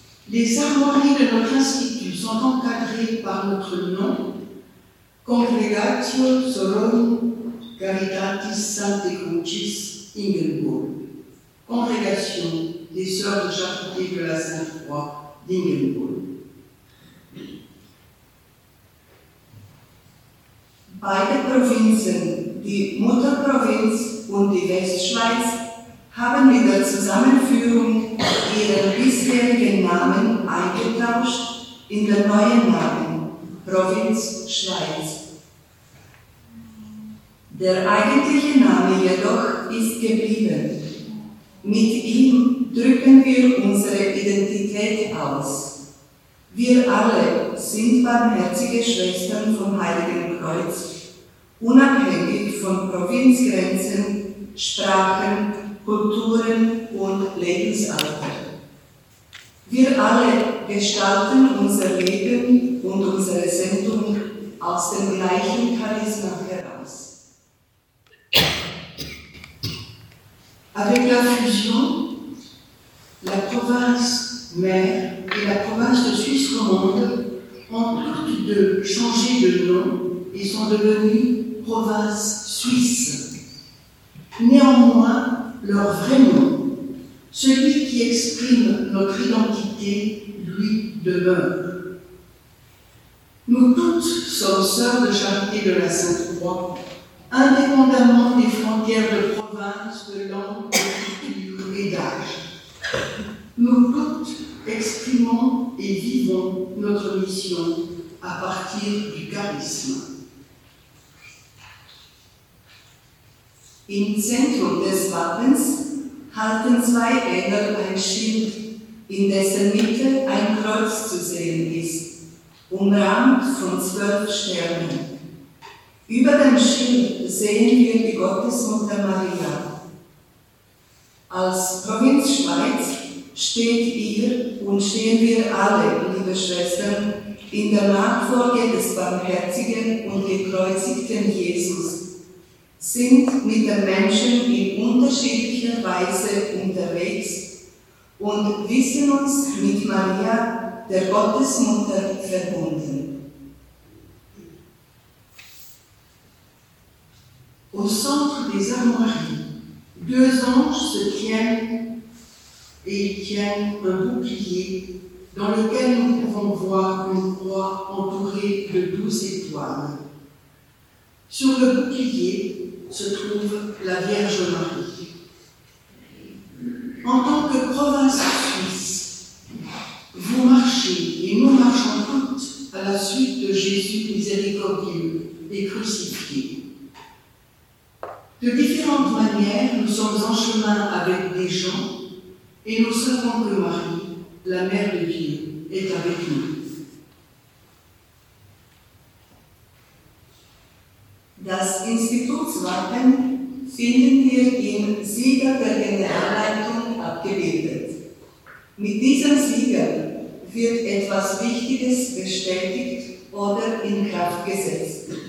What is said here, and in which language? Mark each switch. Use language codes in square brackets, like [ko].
[fr] Les armoiries de notre institut sont encadrées par notre nom, Congregatio Solorum Caritatis Sancte Crucis Ingelburg, Congrégation des Sœurs de Charité de la Sainte Croix d'Ingelburg. [de] Beide Provinzen, die Mutterprovinz und die Westschweiz, haben mit der Zusammenführung ihren bisherigen Namen eingetauscht in den neuen Namen Provinz Schweiz. Der eigentliche Name jedoch ist geblieben. Mit ihm drücken wir unsere Identität aus. Wir alle sind barmherzige Schwestern vom Heiligen Kreuz, unabhängig von Provinzgrenzen, Sprachen, Kulturen und Lebensalter. Wir alle gestalten unser Leben und unsere Sendung aus dem gleichen Charisma heraus. [fr] Avec la fusion, la province mère et la province de Suisse romande ont toutes deux changé de nom et sont devenues provinces suisses. Néanmoins, leur vrai nom, celui qui exprime notre identité, lui demeure. Nous toutes sommes sœurs de charité de la Sainte Croix, indépendamment des frontières de province, de langue, de culture et d'âge. Nous toutes exprimons et vivons notre mission à partir du charisme. [de] Im Zentrum des Wappens halten zwei Engel ein Schild, in dessen Mitte ein Kreuz zu sehen ist, umrahmt von 12 Sternen. Über dem Schild sehen wir die Gottesmutter Maria. Als Provinz Schweiz steht ihr und stehen wir alle, liebe Schwestern, in der Nachfolge des barmherzigen und gekreuzigten Jesus, sind mit den Menschen in unterschiedlicher Weise unterwegs und wissen uns mit Maria, der Gottesmutter, verbunden. [fr] Au centre des armoiries, deux anges se tiennent et ils tiennent un bouclier dans lequel nous pouvons voir une croix entourée de 12 étoiles. Sur le bouclier se trouve la Vierge Marie. En tant que province suisse, vous marchez et nous marchons toutes à la suite de Jésus miséricordieux et crucifié. De différentes manières, nous sommes en chemin avec des gens et nous savons que Marie, la Mère de Dieu, est avec nous. [de] Das Institutswappen finden wir im Sieger der Generalleitung abgebildet. Mit diesem Sieger wird etwas Wichtiges bestätigt oder in Kraft gesetzt.